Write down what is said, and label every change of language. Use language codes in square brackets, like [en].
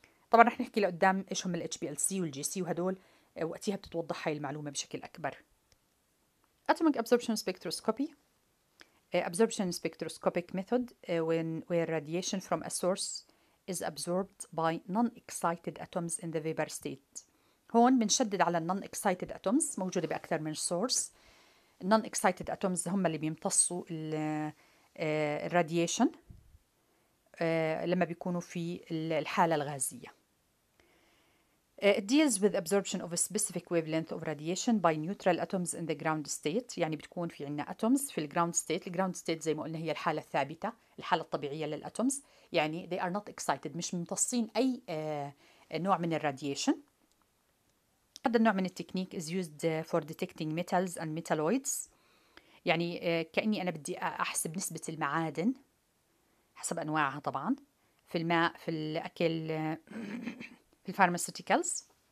[ar] طبعا رح نحكي لقدام إيش هم HPLC والGC وهدول، وقتها بتتوضح هاي المعلومة بشكل أكبر. [en] Atomic absorption spectroscopy. Absorption spectroscopic method where radiation from a source is absorbed by non-excited atoms in the vapor state. [ar] هون بنشدد على [en] non-excited atoms [ar] موجودة بأكثر من source. [en] Non-excited atoms [ar] هم اللي بيمتصوا ال radiation لما بيكونوا في الحالة الغازية. [en] It deals with absorption of a specific wavelength of radiation by neutral atoms in the ground state. [ar] يعني بتكون في عنا atoms في [en] the ground state. The ground state [ar] زي ما قلنا هي الحالة الثابتة، الحالة الطبيعية للأتومز. يعني [en] they are not excited، [ar] مش ممتصين أي نوع من الراديشن. هذا النوع من التكنيك [en] is used for detecting metals and metalloids. [ar] يعني كأني أنا بدي أحسب نسبة المعادن حسب أنواعها طبعا، في الماء، في الأكل، في الفارماسيوتيكالز.